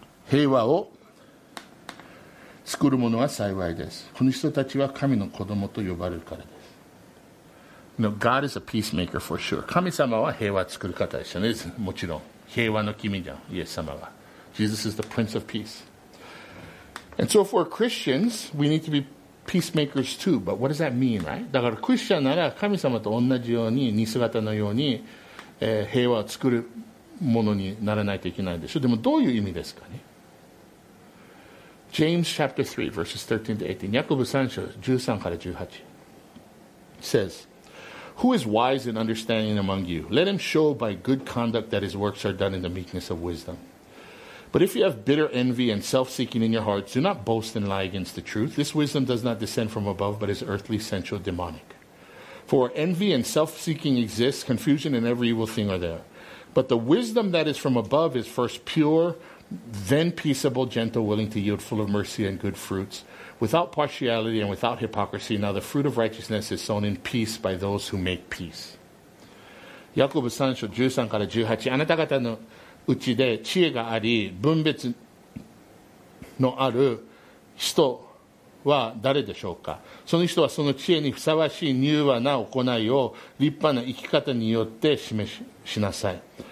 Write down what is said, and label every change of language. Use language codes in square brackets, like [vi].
[ja] 平和を作るものは幸いです。この人たちは神の子供と呼ばれるからです。 [en] No, God is a peacemaker for sure. [ja] 神様は平和を作る方でしたね。もちろん。平和の君じゃん、イエス様は。 [en] Jesus is the Prince of Peace. And so for Christians, we need to be peacemakers too. But what does that mean, right? [ja] だからクリスチャンなら神様と同じように、似姿のように、平和を作るものにならないといけないでしょ。でもどういう意味ですかね？ [en] James chapter 3 verses 13 to 18, [ja] Yakubu 3 章13から18 [en] says, Who is wise and understanding among you? Let him show by good conduct that his works are done in the meekness of wisdom. But if you have bitter envy and self-seeking in your hearts, do not boast and lie against the truth. This wisdom does not descend from above, but is earthly, sensual, demonic. For envy and self-seeking exist, confusion and every evil thing are there. But the wisdom that is from above is first pure, then peaceable, gentle, willing to yield, full of mercy and good fruits, without partiality and without hypocrisy. Now the fruit of righteousness is sown in peace by those who make peace. [ja] ヤコブ3章13から18、あなた方のうちで知恵があり、分別のある人は誰でしょうか。その人はその知恵にふさわしい柔和な行いを立派な生き方によって示しなさい。